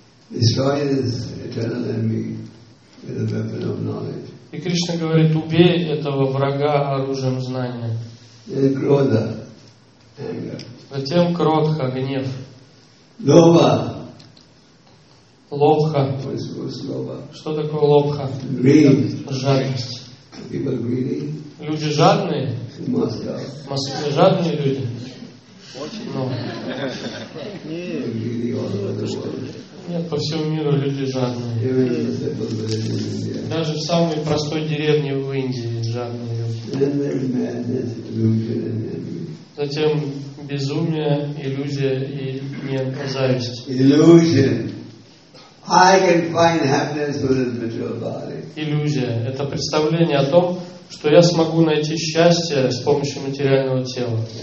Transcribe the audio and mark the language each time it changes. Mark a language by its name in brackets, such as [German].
[English] Destroy this eternal enemy with a weapon of knowledge. [Russian] И Кришна говорит, убей этого врага оружием знания. [English] Then Krodha, anger. [Russian] Затем Кротха, гнев. Лобха. Лобха. Лобха. Что такое лобха? [English] Greed. [Russian] Жадность. [English] People greedy. [Russian] Люди жадные. Москва. Жадные люди. Очень. Нет, по всему миру люди жадные. Даже в самой простой деревне в Индии жадные люди. Затем безумие, иллюзия и нет, зависть. Иллюзия. [English] I can find happiness with this material body. [Russian] Иллюзия. Это представление о том, что я смогу найти счастье с помощью материального тела.